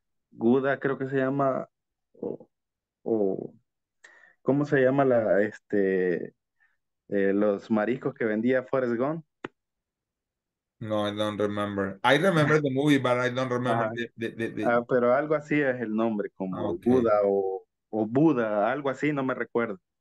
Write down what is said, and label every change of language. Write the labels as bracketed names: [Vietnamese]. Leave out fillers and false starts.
[Spanish] Guda, creo que se llama, ¿cómo se llama la, los mariscos que vendía Forrest Gump? [English] No, I don't remember. I remember the movie, but I don't remember [Spanish] pero algo así es el nombre, como Guda o Buda, algo así, no me recuerdo.